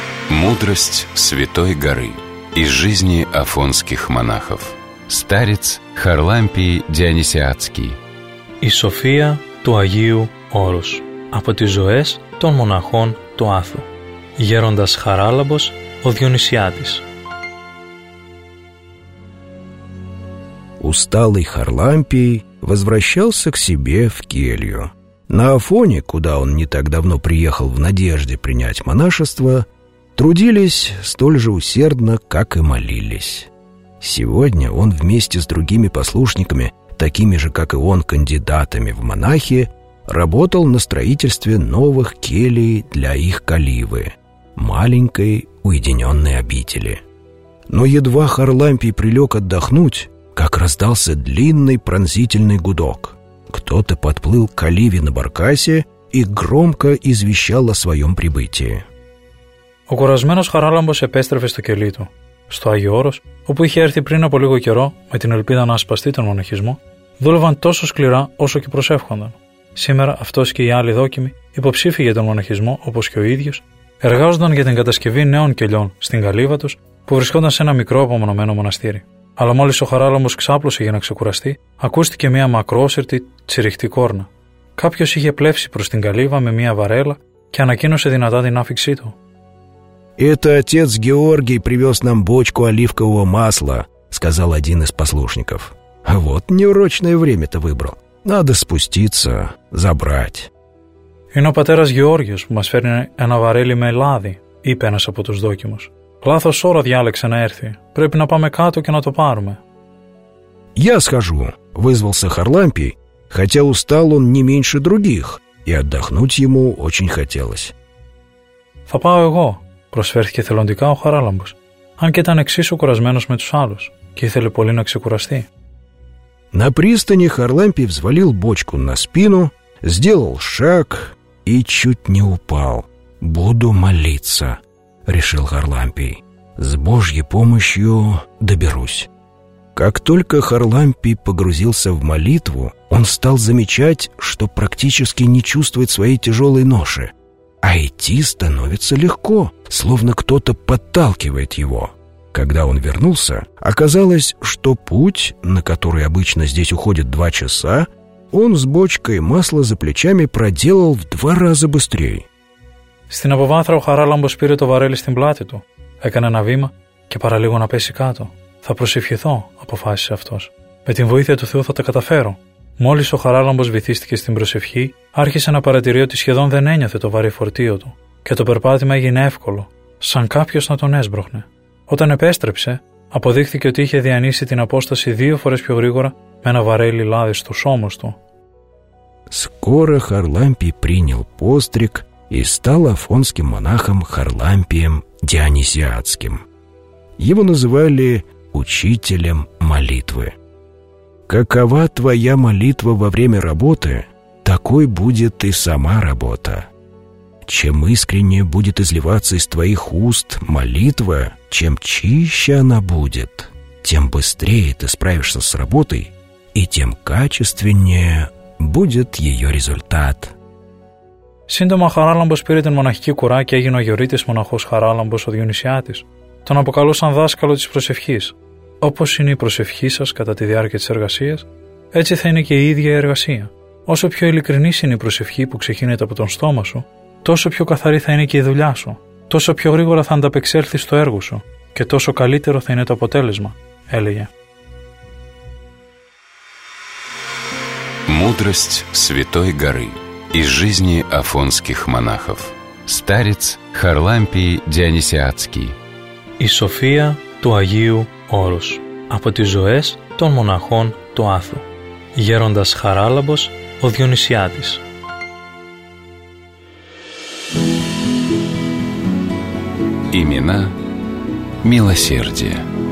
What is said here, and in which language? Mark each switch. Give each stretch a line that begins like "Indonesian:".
Russian: Мудрость Святой Горы из жизни афонских монахов. Старец Харлампий Дионисиадский.
Greek: И София του Αγίου Όρους από τις ζωές των μοναχών του Άθου. Γέροντας Χαράλαμπος, ο Διονυσιάτης.
Russian: Усталый Харлампий возвращался к себе в келью. На Афоне, куда он не так давно приехал в надежде принять монашество, трудились столь же усердно, как и молились. Сегодня он вместе с другими послушниками, такими же, как и он, кандидатами в монахи, работал на строительстве новых келий для их каливы, маленькой уединенной обители. Но едва Харлампий прилег отдохнуть, как раздался длинный пронзительный гудок. Кто-то подплыл к каливе на баркасе и громко извещал о своем прибытии.
Greek: Ο κουρασμένος Χαράλαμπος επέστρεφε στο κελί του, στο Άγιο Όρος, όπου είχε έρθει πριν από λίγο καιρό με την ελπίδα να ασπαστεί τον μοναχισμό, δούλευαν τόσο σκληρά όσο και προσεύχονταν. Σήμερα αυτός και οι άλλοι δόκιμοι, υποψήφοι για τον μοναχισμό όπως και ο ίδιος, εργάζονταν για την κατασκευή νέων κελιών στην καλύβα τους που βρισκόταν σε ένα μικρό απομονωμένο μοναστήρι. Αλλά μόλις ο Χαράλαμπος ξάπλωσε για να ξεκουραστεί, ακούστηκε μια μακρόσυρτη, τσιριχτή κόρνα. Κάποιος είχε πλέψει προς την καλύβα με μια βαρέλα και ανακοίνωσε δυνατά την άφιξή του.
Russian: «Это отец Георгий привез нам бочку оливкового масла», — сказал один из послушников. «А вот неурочное время-то выбрал. Надо спуститься, забрать».
Greek: «Είναι ο πατέρας Γεώργιος που μας φέρνει ένα βαρέλι με λάδι», είπε ένας από τους δόκιμους. «Λάθος ώρα διάλεξε να έρθει. Πρέπει να πάμε κάτω και να το πάρουμε».
Russian: «Я схожу», — вызвался Харлампий, хотя устал он не меньше других, и отдохнуть ему очень хотелось.
Greek: «Θα πάω εγώ», προσφέρθηκε θελοντικά ο Χαράλαμπος, αν και ήταν εξίσου κουρασμένος με τους άλλους και ήθελε πολύ να ξεκουραστεί.
Russian: На пристани Харлампий взвалил бочку на спину, сделал шаг и чуть не упал. «Буду молиться», — решил Харлампий. «С Божьей помощью доберусь». Как только Харлампий погрузился в молитву, он стал замечать, что практически не чувствует своей тяжелой ноши. А идти становится легко, словно кто-то подталкивает его. Когда он вернулся, оказалось, что путь, на который обычно здесь уходит 2 часа, он с бочкой масла за плечами проделал в 2 раза быстрее.
Greek: Στην αποβάθρα ο Χαράλαμπος πήρε το βαρέλι στην πλάτη του, έκανε ένα βήμα και παραλίγο να πέσει κάτω. «Θα προσευχηθώ», αποφάσισε αυτός. «Με την βοήθεια του Θεού θα τα καταφέρω». Μόλις ο Χαράλαμπος βυθίστηκε στην προσευχή, άρχισε να παρατηρεί ότι σχεδόν δεν ένιωθε το βαρύ φορτίο του και το περπάτημα έγινε εύκολο, σαν κάποιος να τον έσπρωχνε. Όταν επέστρεψε, αποδείχθηκε ότι είχε διανύσει την απόσταση 2 φορές πιο γρήγορα με ένα βαρέλι λάδι στο σώμα του.
Russian: Скоро Харлампий принял постриг и стал афонским монахом Харлампием Дионисиадским. Его называли учителем молитвы. Какова твоя молитва во время работы, такой будет и сама работа. Чем искреннее будет изливаться из твоих уст молитва, чем чище она будет, тем быстрее ты справишься с работой, и тем качественнее будет ее результат.
Greek: Σύντομα Χαράλαμπος πήρε την μοναχική κουρά και έγινε ο γιορείτης μοναχός Χαράλαμπος ο Διονυσιάτης. Τον αποκαλούσαν δάσκαλο της προσευχής. Όπως είναι η προσευχή σας κατά τη διάρκεια της εργασίας, έτσι θα είναι και η ίδια η εργασία. Όσο πιο ειλικρινής είναι η προσευχή που ξεκινάει από τον στόμα σου, τόσο πιο καθαρή θα είναι και η δουλειά σου, τόσο πιο γρήγορα θα ανταπεξέλθεις στο έργο σου και τόσο καλύτερο θα είναι το αποτέλεσμα, έλεγε.
Russian: Μούδρος Святой Горы из жизни афонских монахов. Старец Харлампий Дионисиадский.
Greek: Η σοφία του Αγίου Όρος, από τις ζωές των μοναχών του Άθου. Γέροντας Χαράλαμπος, ο Διονυσιάτης.
Russian: Имена милосердия.